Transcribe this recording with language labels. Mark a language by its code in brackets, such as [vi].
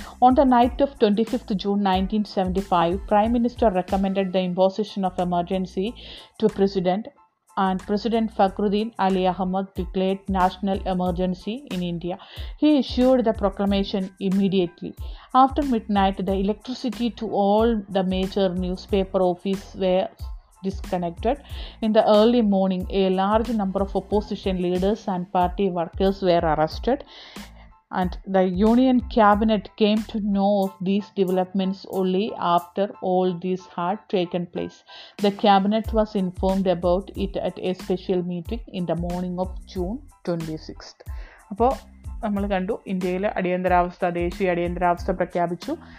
[en] On the night of 25th June 1975, prime minister recommend the imposition of emergency to president and president Fakhruddin Ali Ahmed declared national emergency in India. He issued the proclamation immediately. After midnight the electricity to all the major newspaper offices were disconnected. In the early morning, a large number of opposition leaders and party workers were arrested, and the union cabinet came to know of these developments only after all this had taken place. The cabinet was informed about it at a special meeting in the morning of June 26th. [ml] അപ്പോൾ നമ്മൾ കണ്ടു, ഇന്ത്യയിൽ അടിയന്തരാവസ്ഥ, ദേശീയ അടിയന്തരാവസ്ഥ പ്രഖ്യാപിച്ചു.